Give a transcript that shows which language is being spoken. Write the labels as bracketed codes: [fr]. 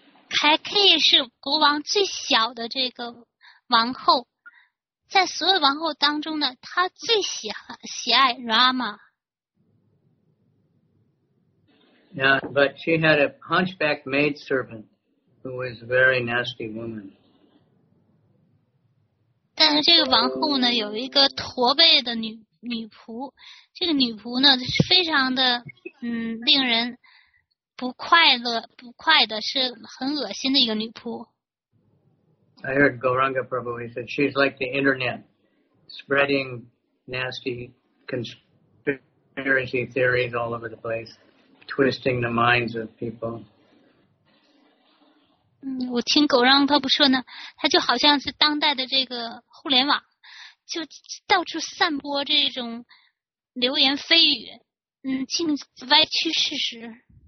[zh] Kaikeyi 是国王最小的这个王后。在所有王后当中呢，她最喜爱 Rama. [en] Yeah, but she had a hunchback maid servant who is a very nasty woman. [zh] 但是这个王后呢，有一个驼背的女仆，这个女仆呢，非常的令人不快的，是很恶心的一个女仆。 [en] I heard Gauranga Prabhu, he said, she's like the internet, spreading nasty conspiracy theories all over the place, twisting the minds of people. [zh] 我听Gauranga Prabhu说呢，他就好像是当代的这个互联网，就到处散播这种流言蜚语，竟歪曲事实。